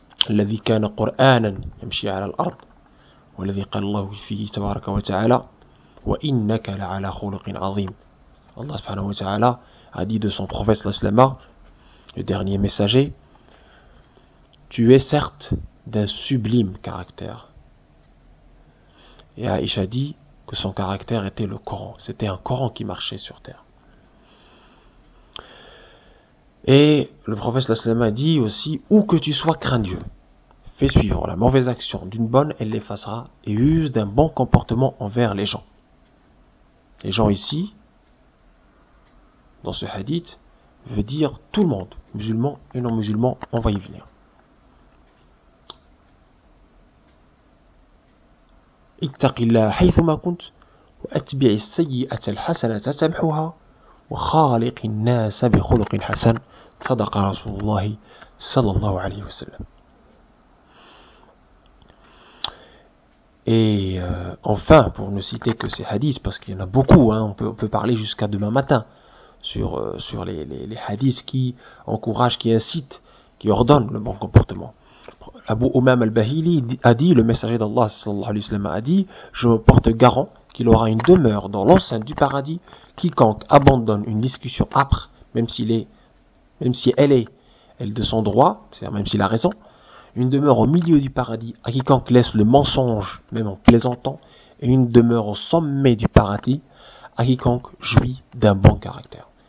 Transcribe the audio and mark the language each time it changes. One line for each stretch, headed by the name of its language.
Arabic: الذي كان قرانا يمشي على الارض والذي قال الله فيه تبارك وتعالى وانك لعلى خلق عظيم الله سبحانه وتعالى
French: a dit de son prophète l'islam le dernier messager tu es certes d'un sublime caractère. Et Aïcha dit que son caractère était le Coran. C'était un Coran qui marchait sur terre. Et le prophète sallam a dit aussi, où que tu sois, crains Dieu. Fais suivre la mauvaise action d'une bonne, elle l'effacera, et use d'un bon comportement envers les gens. Les gens ici, dans ce hadith, veut dire tout le monde, musulmans et non-musulmans, on va y venir.
Arabic: اتق الله حيثما كنت واتبع السيئه الحسنه تمحوها وخالق الناس بخلق حسن صدق رسول الله صلى الله عليه وسلم.
French: Et enfin, pour ne citer que ces hadiths, parce qu'il y en a beaucoup, hein, on peut parler jusqu'à demain matin sur les hadiths qui encouragent, qui incitent, qui ordonnent le bon comportement. Abu Umam al-Bahili a dit, le messager d'Allah sallallahu alayhi wa sallam a dit, je me porte garant qu'il aura une demeure dans l'enceinte du paradis, quiconque abandonne une discussion âpre, même si elle est de son droit, c'est-à-dire même s'il a raison, une demeure au milieu du paradis à quiconque laisse le mensonge, même en plaisantant, et une demeure au sommet du paradis à quiconque jouit d'un bon caractère.